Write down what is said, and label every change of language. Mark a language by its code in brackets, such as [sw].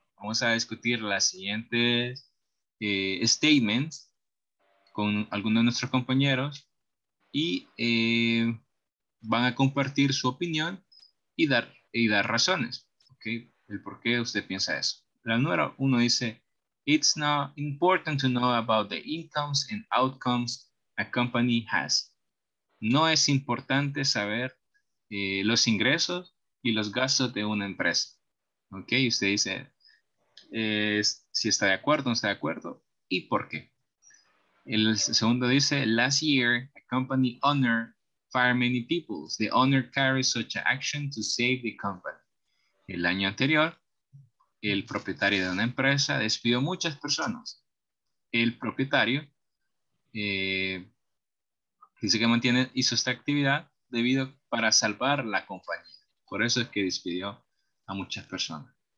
[es] Vamos a discutir las siguientes statements con algunos de nuestros compañeros y van a compartir su opinión y dar razones, okay, el por qué usted piensa eso. La número uno dice, [en] it's not important to know about the incomes and outcomes a company has. [es] No es importante saber los ingresos y los gastos de una empresa. Ok, usted dice si está de acuerdo o no está de acuerdo y por qué. El segundo dice, [en] last year, a company owner fired many people. The owner carried such action to save the company. [es] El año anterior, el propietario de una empresa despidió muchas personas. El propietario dice que hizo esta actividad debido para salvar la compañía. Por eso es que despidió a muchas personas.